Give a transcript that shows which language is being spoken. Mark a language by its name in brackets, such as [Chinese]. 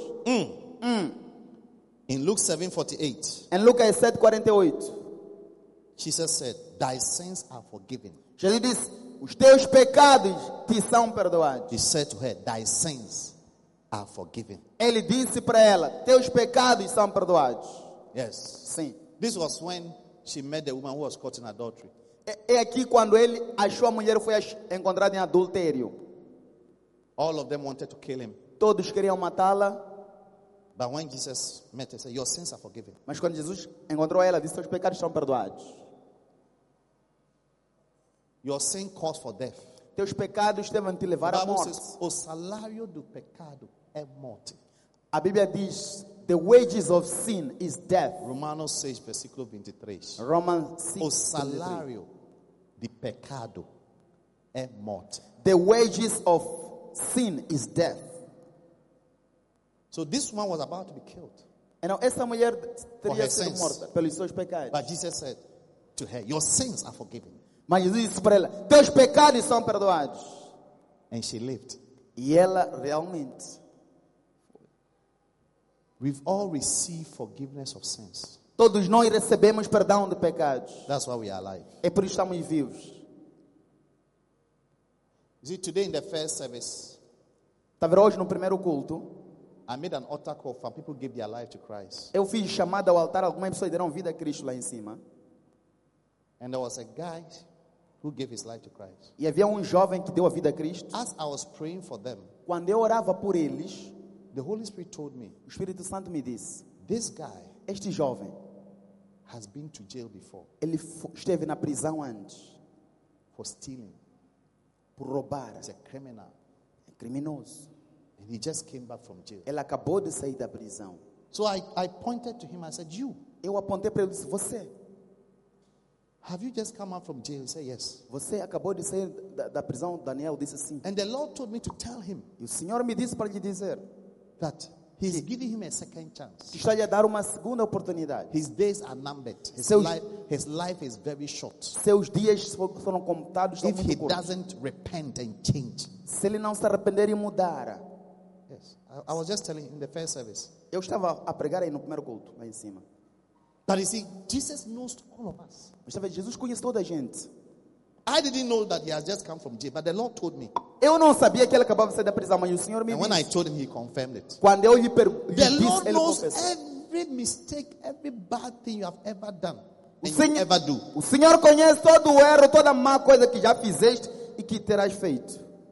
[English] In Luke 7:48. [Portuguese] Em Lucas 7:48. [English] Jesus said, "Thy sins are forgiven." [Portuguese] Jesus disse, "Os teus pecados te são perdoados." [English] He said to her, "Thy sins are forgiven." [Portuguese] Ele disse para ela, "Teus pecados são perdoados." [English] Yes. [Portuguese] Sim. [English] This was when she met the woman who was caught in adultery. [Portuguese] É aqui quando ele achou a mulher foi encontrada em adultério. [English] All of them wanted to kill him. [Portuguese] Todos queriam matá-la. [English] But when Jesus met her, he said, "Your sins are forgiven." [Portuguese] Mas quando Jesus encontrou ela, disse, "Seus pecados são perdoados." [English] Your sin calls for death. [Portuguese] Teus pecados devem te levar à morte. [English] Says, [Portuguese] o salário do pecado é morte. A Bíblia diz, [English] "The wages of sin is death." [Portuguese] Romanos 6:23. [English] Romans 6:23. [Portuguese] O salário do pecado é morte. [English] The wages of sin is death. So this woman was about to be killed. And now [Portuguese] essa mulher teria sido morta pelos seus pecados. [English] But Jesus said to her, "Your sins are forgiven." [Portuguese] Mas Jesus disse para ela, "Teus pecados são perdoados." [English] And she lived. [Portuguese] E ela realmente. [English] We've all received forgiveness of sins. [Portuguese] Todos nós recebemos perdão de pecados. [English] That's why we are alive. [Portuguese] É por isso que estamos vivos. [English] You see, today in the first service. [Portuguese] Está vendo hoje no primeiro culto. [English] I made an altar call for people give their life to Christ. [Portuguese] Eu fiz chamada ao altar, algumas pessoas deram vida a Cristo lá em cima. [English] And there was a guy who gave his life to Christ. [Portuguese] E havia jovem que deu a vida a Cristo. [English] As I was praying for them, [Portuguese] quando eu orava por eles, [English] the Holy Spirit told me, [Portuguese] o Espírito Santo me disse, [English] "This guy, [Portuguese] este jovem, [English] has been to jail before." [Portuguese] Ele esteve na prisão antes. [English] For stealing. [Portuguese] Por roubar. [English] He's a criminal. [Portuguese] É criminoso. [English] And he just came back from jail. [Portuguese] Ele acabou de sair da prisão. [English] So I pointed to him. I said, "You." [Portuguese] Eu apontei para ele e disse, "Você. [English] Have you just come out from jail?" He said, "Yes." [Portuguese] Você acabou de sair da prisão. Daniel disse sim. [English] And the Lord told me to tell him. [Portuguese] E o Senhor me disse para lhe dizer. [English] That he's giving him a second chance. [Portuguese] Que está lhe a dar uma segunda oportunidade. [English] His days are numbered. His life is very short. [Portuguese] Seus dias foram contados. [English] If he doesn't repent and change. [Portuguese] Se ele não se arrepender e mudar. [English] Yes, I was just telling in the first service. [Portuguese] Eu estava a pregar aí no primeiro culto lá em cima. [English] But you see, Jesus knows all of us. [Portuguese] Mas sabe, Jesus conhece toda a gente. [English] I didn't know that he has just come from jail, but the Lord told me. [Portuguese] Eu não sabia que ele acabava de sair da prisão, mas o Senhor me disse. [English] And when I told him, he confirmed it. [Portuguese] Quando eu lhe disse, ele confessou. [English] The Lord knows every mistake, every bad thing you have ever done, [Portuguese] O Senhor conhece todo o erro, toda má coisa que já fizeste e que terás feito.